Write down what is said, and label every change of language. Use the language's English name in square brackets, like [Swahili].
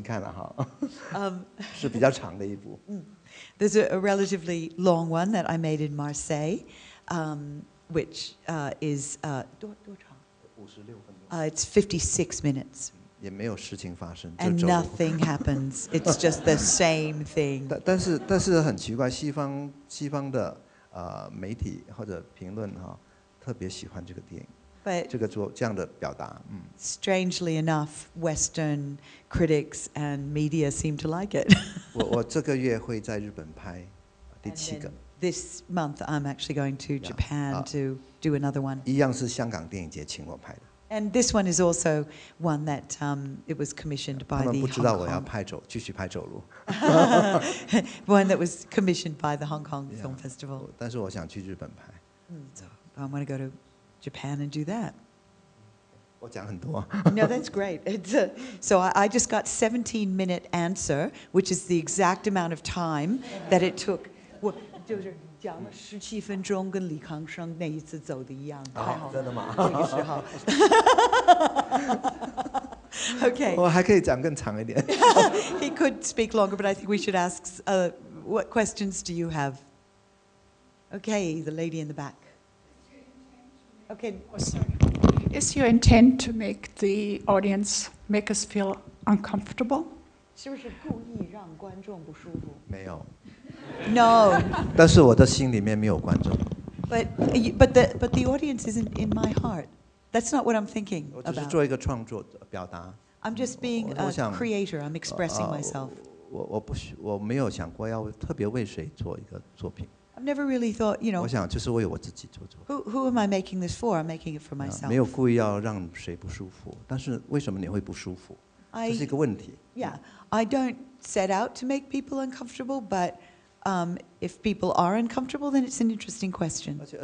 [Chinese] 叫西游，你看了哈，是比较长的一部。 [English] There's a relatively long one that I made in Marseille, which is [Chinese] 多长？56分钟。 [English] It's 56 minutes. [Chinese] 也没有事情发生，就走路。 [English] And nothing happens. It's just the same thing. [Chinese] 但是很奇怪，西方的媒体或者评论哈，特别喜欢这个电影。 [English] But strangely enough, Western critics and media seem to like it. [Chinese] 我这个月会在日本拍第七个。 [English] This month, I'm actually going to Japan to do another one. [Chinese] 一样是香港电影节请我拍的。 [English] And this one is also one that it was commissioned by the Hong Kong. One that was commissioned by the Hong Kong Film Festival. [Chinese] 但是我想去日本拍。 [English] So I'm going to go to Japan and do that. [Chinese] 我讲很多。 [English] No, that's great. It's so I just got 17-minute answer, which is the exact amount of time that it took. [Chinese] 我就是讲了17分钟，跟李康生那一次走的一样。啊，真的吗？这个时候。 [English] Okay. [Chinese] 我还可以讲更长一点。 [English] He could speak longer, but I think we should ask what questions do you have? Okay, the lady in the back. Okay. Oh, sorry. Is your intent to make the audience make us feel uncomfortable? [Chinese] 是不是故意让观众不舒服？没有。 [English] No. But the audience isn't in my heart. That's not what I'm thinking about. I'm just being a creator. I'm expressing myself. [Chinese] 我没有想过要特别为谁做一个作品。 [English] I've never really thought, you know. [Chinese] 我想就是为我自己做。 [English] Who am I making this for? I'm making it for myself. [Chinese] 没有故意要让谁不舒服，但是为什么你会不舒服？这是一个问题。 [English] Yeah, I don't set out to make people uncomfortable, but if people are uncomfortable, then it's an interesting question.